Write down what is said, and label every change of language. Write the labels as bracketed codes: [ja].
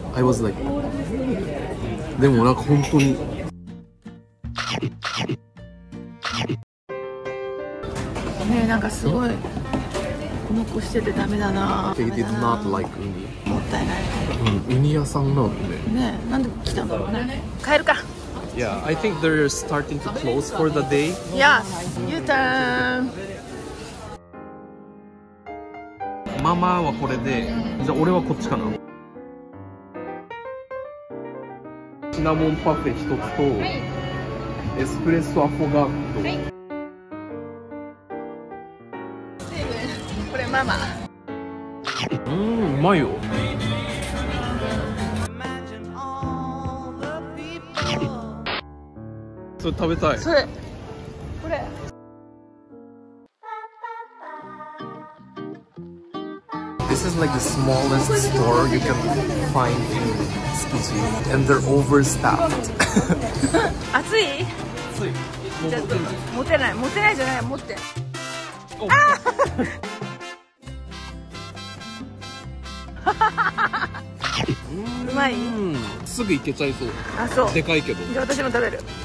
[en] I was like, [ja] でもなんか本当に。ねえ、なんかすごい残しててダメだな。 [en] They did not like ウニ。 [ja] もったいない。ウニ屋さんなんで。ねえ、なんで来たんだろうね。帰るか。 [en] Yeah, I think they're starting to close for the day. Yes, your turn. [ja] ママはこれで、じゃあ俺はこっちかな。シナモンパフェ一つと、エスプレッソアフォガート。これママ。うまいよ。それ食べたい。それ。これ。 [en] This is like the smallest store you can find in Tsukiji, and they're overstaffed. [ja] 熱い？熱い。ちょっと持てない。持てないじゃない、持って。うまい。すぐ行けちゃいそう。あ、そう。でかいけど。じゃあ私も食べる。